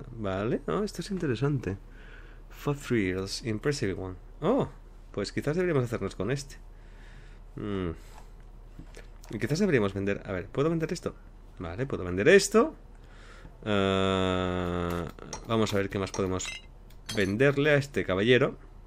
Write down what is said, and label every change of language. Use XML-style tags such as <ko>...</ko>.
<es>Vale, no, esto es interesante.</es> <en>For 3 years, impressive one.</en> <es>Oh, pues quizás deberíamos hacernos con este. Y quizás deberíamos vender. A ver, ¿puedo vender esto? Vale, puedo vender esto. Vamos a ver qué más podemos venderle a este caballero.</es>